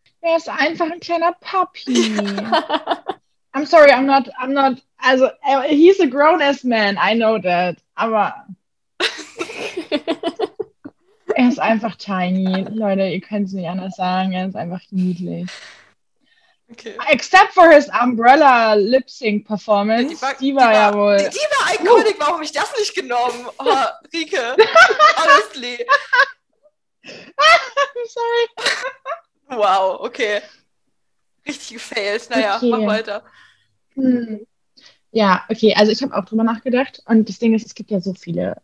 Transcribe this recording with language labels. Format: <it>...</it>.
<de>Er ist einfach ein kleiner Puppy.</de> <en>Ja. I'm sorry, I'm not, also, he's a grown-ass man, I know that,</en> <de>aber er ist einfach</de> <en>tiny.</en> <de>Leute, ihr könnt es nicht anders sagen, er ist einfach niedlich. Okay.</de> <en>Except for his Umbrella Lip-Sync Performance.</en> <de>Die war ja wohl. Die war iconic, warum habe ich das nicht genommen?</de> <en>Oh, Rieke. Honestly. I'm sorry.</en> <de>Wow, okay. Richtig gefailt. Naja, okay. Mach weiter. Ja, okay, also ich habe auch drüber nachgedacht. Und das Ding ist, es gibt ja so viele.</de>